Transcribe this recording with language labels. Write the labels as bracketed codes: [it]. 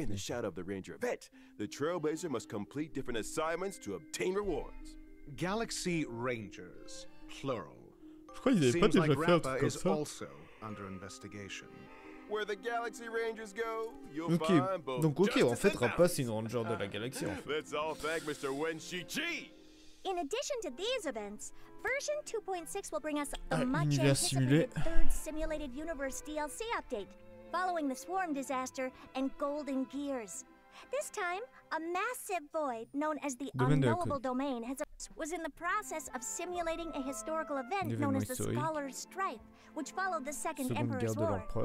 [en] In the shadow of the Ranger event, the Trailblazer must complete different assignments to obtain rewards. Galaxy Rangers, plural. Seems like Rappa is also under investigation. Where the Galaxy Rangers go, you'll find both. [fr] Donc ok, en fait, Rappa c'est une Ranger de la galaxie. [en] Let's all thank Mr. Wen Shichi. In addition to these events, version 2.6 will bring us a much-anticipated third simulated universe DLC update, following the Swarm disaster and Golden Gears. This time, a massive void known as the Unknowable Domain was in the process of simulating a historical event known as the Scholar's Strife, which followed the Second Emperor's War.